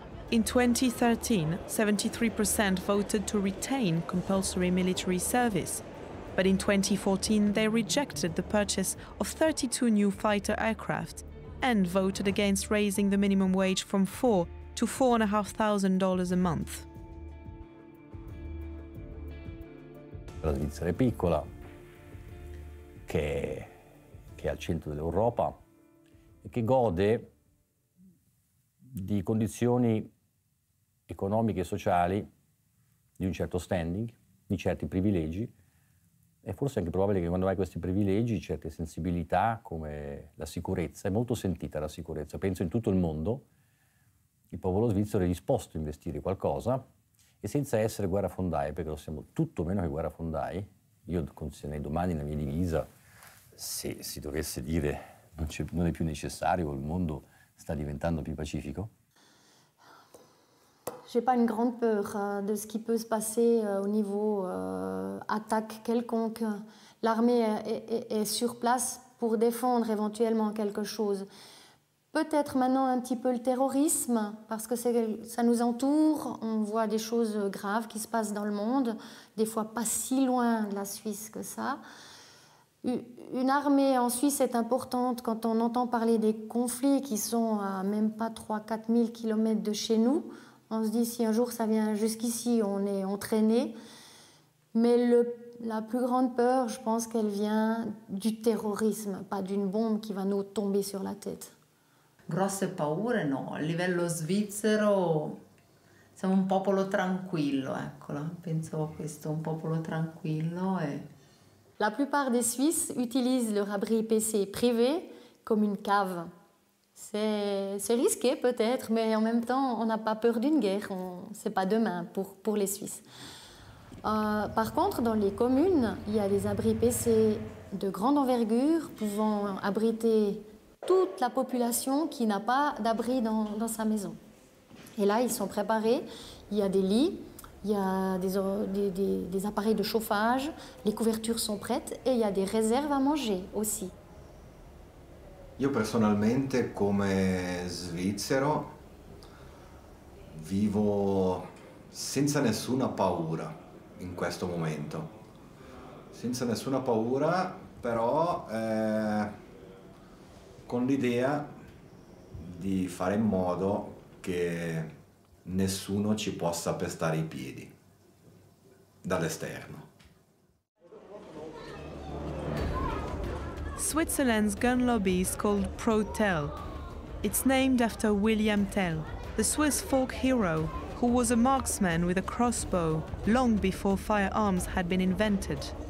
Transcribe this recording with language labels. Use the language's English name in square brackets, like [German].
[English] In 2013, 73% voted to retain compulsory military service, but in 2014 they rejected the purchase of 32 new fighter aircraft and voted against raising the minimum wage from $4,000 to $4,500 a month. [Italian] La Svizzera è piccola, che è al centro dell'Europa e che gode di condizioni economiche e sociali di un certo standing, di certi privilegi. È forse anche probabile che quando hai questi privilegi, certe sensibilità come la sicurezza, è molto sentita la sicurezza. Penso in tutto il mondo il popolo svizzero è disposto a investire qualcosa e senza essere guerrafondai, perché lo siamo tutto meno che guerrafondai. Io consiglierei domani la mia divisa, se si dovesse dire non è più necessario, il mondo sta diventando più pacifico. [French] J'ai pas une grande peur de ce qui peut se passer au niveau attaque quelconque. L'armée est sur place pour défendre éventuellement quelque chose. Peut-être maintenant un petit peu le terrorisme, parce que ça nous entoure, on voit des choses graves qui se passent dans le monde, des fois pas si loin de la Suisse que ça. Une armée en Suisse est importante quand on entend parler des conflits qui sont à même pas 3-4 000 km de chez nous. On se dit, si un jour ça vient jusqu'ici, on est entraîné. Mais la plus grande peur, je pense qu'elle vient du terrorisme, pas d'une bombe qui va nous tomber sur la tête. [Italian] Grosse paure, no. A livello svizzero, siamo un popolo tranquillo, eccolo. Penso a questo, un popolo tranquillo. [French] La plupart des Suisses utilisent leur abri PC privé comme une cave. C'est risqué peut-être, mais en même temps, on n'a pas peur d'une guerre. C'est pas demain pour les Suisses. Par contre, dans les communes, il y a des abris PC de grande envergure pouvant abriter toute la population qui n'a pas d'abri dans sa maison. Et là, ils sont préparés. Il y a des lits, il y a des appareils de chauffage, les couvertures sont prêtes et il y a des réserves à manger aussi. [Italian] Io personalmente, come svizzero, vivo senza nessuna paura in questo momento. Senza nessuna paura, però con l'idea di fare in modo che nessuno ci possa pestare i piedi dall'esterno. [English] Switzerland's gun lobby is called Pro Tell. It's named after William Tell, the Swiss folk hero who was a marksman with a crossbow long before firearms had been invented.